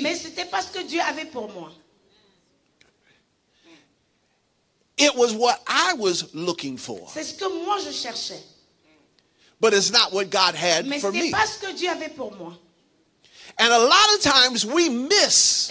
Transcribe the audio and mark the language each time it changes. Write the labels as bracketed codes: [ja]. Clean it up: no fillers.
[fr] Mais c'était pas ce que Dieu avait pour moi. [en] It was what I was looking for. [fr] C'est ce que moi je cherchais. [en] But it's not what God had [fr] Mais [en] for me. [fr] Mais c'était pas ce que Dieu avait pour moi. [en] And a lot of times we miss